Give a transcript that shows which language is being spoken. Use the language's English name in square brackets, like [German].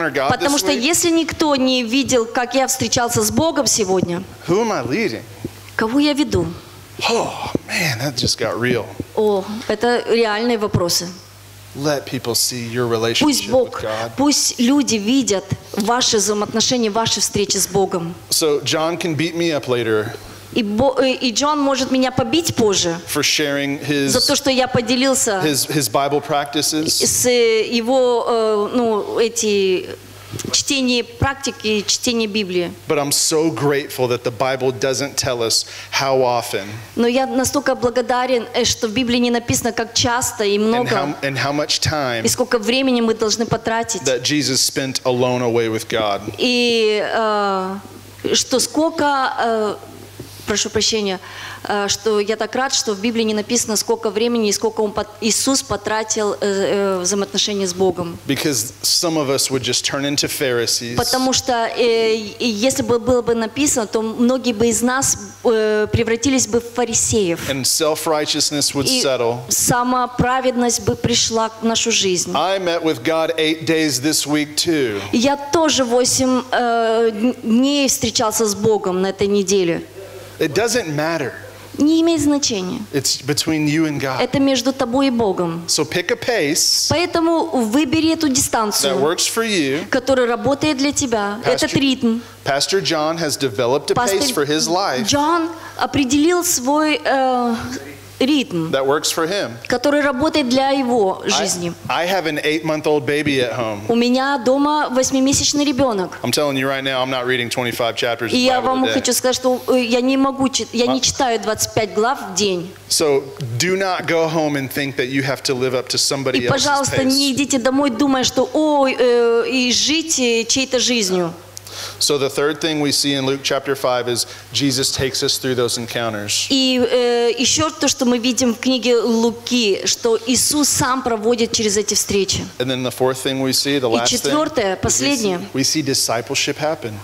[Russian] Потому что если никто не видел, как я встречался с Богом сегодня, кого я веду? [English] Oh man, that just got real. [Russian] О, это реальные вопросы. [English] Let people see your relationship with God. [Russian] Пусть Бог, [English] with God. [Russian] Пусть люди видят ваши взаимоотношения, ваши встречи с Богом. [English] So John can beat me up later. [Russian] И Джон может меня побить позже за то, что я поделился [English] his Bible practices. [Russian] С его эти чтение практики, чтение Библии. [English] But I'm so grateful that the Bible doesn't tell us how often. [Russian] Но я настолько благодарен, что в Библии не написано, как часто и много. [English] And how much time. [Russian] И сколько времени мы должны потратить. [English] That Jesus spent alone away with God. [Russian] И что сколько, прошу прощения, что я так рад, что в Библии не написано, сколько времени и сколько Иисус потратил взаимоотношения с Богом. [English] Because some of us would just turn into Pharisees. [Russian] Потому что если бы было бы написано, то многие бы из нас превратились бы в фарисеев. [English] And self-righteousness would settle. [Russian] И самоправедность бы пришла в нашу жизнь. [English] I met with God 8 days this week too. [Russian] Я тоже 8 дней встречался с Богом на этой неделе. [English] It doesn't matter. [Russian] Не имеет значения. [English] It's between you and God. [Russian] Это между тобой и Богом. [English] So pick a pace. [Russian] Поэтому выбери эту дистанцию. [English] That works for you. [Russian] Которая работает для тебя. Этот ритм. [English] Pastor John has developed a pace for his life. [Russian] John определил свой ритм, [English] that works for him. [Russian] Который работает для его жизни. [English] I have an 8-month-old baby at home. [Russian] У меня дома 8-месячный ребенок. [English] I'm telling you right now, I'm not reading 25 chapters of the Bible a day. [Russian] И я вам хочу сказать, что я не могу, я не читаю 25 глав в день. [English] So do not go home and think that you have to live up to somebody else's [Russian] pace. И, пожалуйста, не идите домой, думая, что, ой, и жить чьей-то жизнью. [English] So the third thing we see in Luke chapter 5 is Jesus takes us through those encounters. [Russian] И еще то, что мы видим в книге Луки, что Иисус сам проводит через эти встречи. [English] And then the fourth thing we see, the last thing. [Russian] И четвертое, последнее. [English] We see discipleship happen.